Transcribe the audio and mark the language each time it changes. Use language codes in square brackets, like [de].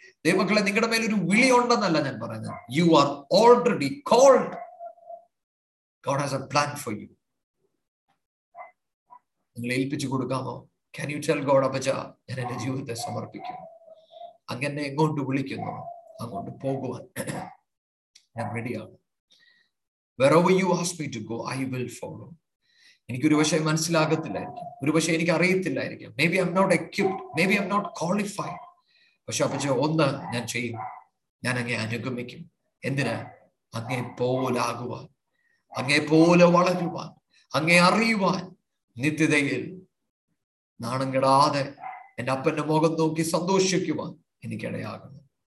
[ml] ദൈവമക്കളെ, നിങ്ങളുടെ മേലൊരു വിളി ഉണ്ടെന്നല്ല ഞാൻ പറഞ്ഞത്, [en] You are already called. God has a plan for you. [ml] നിങ്ങളെ ഏൽപ്പിച്ചു കൊടുക്കാമോ? [en] can you tell God, [ml] അപ്പച്ച ഞാൻ എന്റെ ജീവിതത്തെ സമർപ്പിക്കും, അങ്ങനെ എങ്ങോട്ട് വിളിക്കുന്നു അങ്ങോട്ട് പോകുവാൻ ഞാൻ റെഡിയാണ്. [en] Wherever you ask me to go, I will follow. [ml] എനിക്കൊരു പക്ഷേ മനസ്സിലാകത്തില്ലായിരിക്കും, ഒരു പക്ഷേ എനിക്ക് അറിയത്തില്ലായിരിക്കും. [en] Maybe I'm not equipped. Maybe I'm not qualified. [ml] പക്ഷെ അപ്പച്ചേ ഒന്ന് ഞാൻ ചെയ്യും, ഞാൻ അങ്ങേ അനുഗമിക്കും. എന്തിനാ? അങ്ങേ പോലാകുവാൻ, അങ്ങേ പോലെ വളരുവാൻ, അങ്ങേ അറിയുവാൻ, നിത്യതയിൽ നാണം കെടാതെ എൻ്റെ അപ്പൻ്റെ മുഖം നോക്കി സന്തോഷിക്കുവാൻ എനിക്കിടയാകുന്നു.